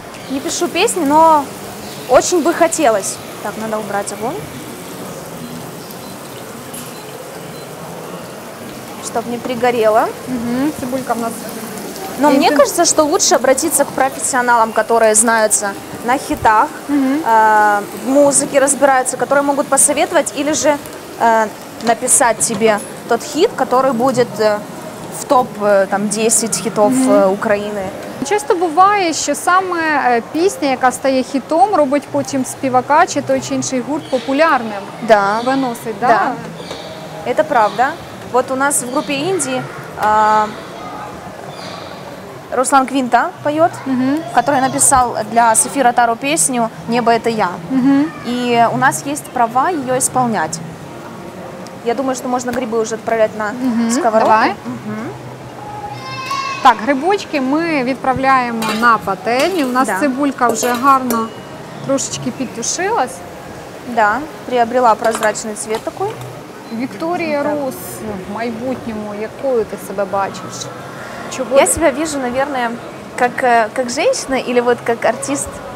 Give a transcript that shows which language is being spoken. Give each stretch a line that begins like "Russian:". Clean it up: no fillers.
Ukrainian: Не пишу пісні,
Russian: но очень
Ukrainian: би хотілося. Так, треба убрати вогонь, щоб не пригорело. Цибулька в нас.
Russian: Но мне кажется, что лучше обратиться к профессионалам, которые знаются на хитах, в музыке разбираются, которые могут посоветовать или же написать тебе тот хит, который будет в топ там, 10 хитов Украины.
Ukrainian: Часто буває, що саме пісня, яка стає хітом, робить потім співака чи той чи інший гурт популярним.
Russian: Да.
Ukrainian: Виносить, да?
Russian: Да. Это правда. Вот у нас в группе Индии Руслан Квинта поет, который написал для Софи Ротару песню «Небо – это я». И у нас есть права ее исполнять. Я думаю, что можно грибы уже отправлять на сковороду. Давай.
Ukrainian: Так, грибочки ми відправляємо на пательню. У нас цибулька вже гарно трошечки підтушилась.
Russian: Да, приобрела прозрачний
Ukrainian: цвіт такий. Вікторія Рус, в майбутньому якою ти себе бачиш? Чого?
Russian: Я себе вижу, наверное, как женщина или вот как артист.